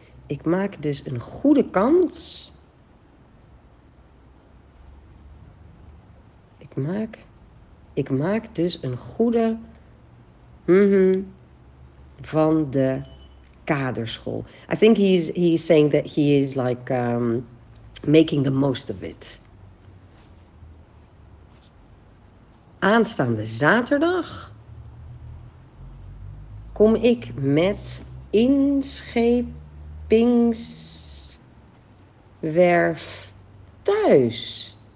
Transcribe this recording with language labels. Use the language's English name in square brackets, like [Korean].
[Dutch] Ik maak dus een goede kans. Ik maak dus een goede van de kaderschool. [English] I think he's saying that he is like making the most of it. [Dutch] Aanstaande zaterdag kom ik met inschepingswerf thuis.